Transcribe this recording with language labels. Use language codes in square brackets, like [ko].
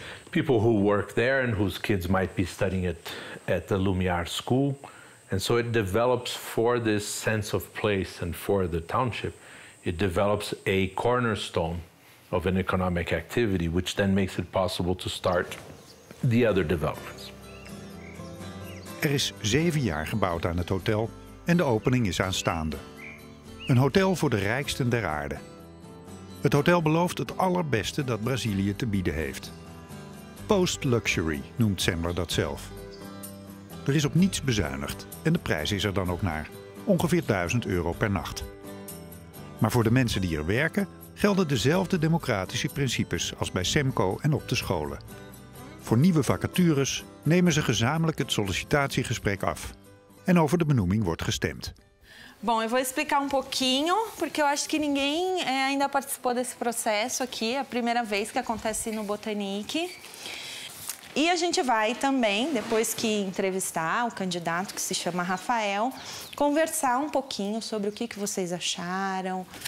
[en] People who work there and whose kids might be studying it at the Lumiar school. And so it develops for this sense of place and for the township, it develops a cornerstone of an economic activity, which then makes it possible to start the other developments. [nl] Er is 7 jaar gebouwd aan het hotel en de opening is aanstaande. Een hotel voor de rijksten der aarde. Het hotel belooft het allerbeste dat Brazilië te bieden heeft. Post-luxury noemt Semler dat zelf. Er is op niets bezuinigd en de prijs is er dan ook naar. Ongeveer 1.000 euro per nacht. Maar voor de mensen die er werken gelden dezelfde democratische principes als bij SEMCO en op de scholen. Voor nieuwe vacatures nemen ze gezamenlijk het sollicitatiegesprek af. En over de benoeming wordt gestemd. [pt] Bom, eu vou explicar um pouquinho, porque eu acho que ninguém ainda participou desse processo aqui. É a primeira vez que acontece no Botanique. E a gente vai também, depois que entrevistar o candidato, que se chama Rafael, conversar um pouquinho sobre o que vocês acharam.